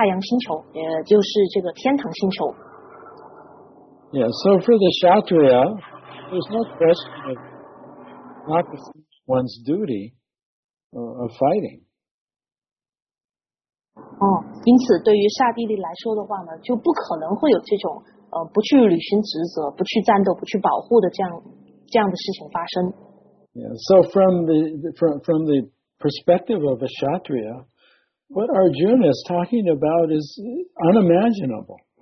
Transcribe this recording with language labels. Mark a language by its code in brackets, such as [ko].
[zh] 而如果他们要是战死沙场的话，然后就会得以进入到这个光芒万丈、威力无穷的太阳星球，也就是这个天堂星球。 [en] Yeah, so for the Kshatriya, there's no question of not performing one's duty. Of fighting. [zh] 因此对于刹帝利来说的话呢，就不可能会有这种不去履行职责、不去战斗、不去保护的这样的事情发生。 [en] Yeah. So from the perspective of a Kshatriya, what Arjuna is talking about is unimaginable.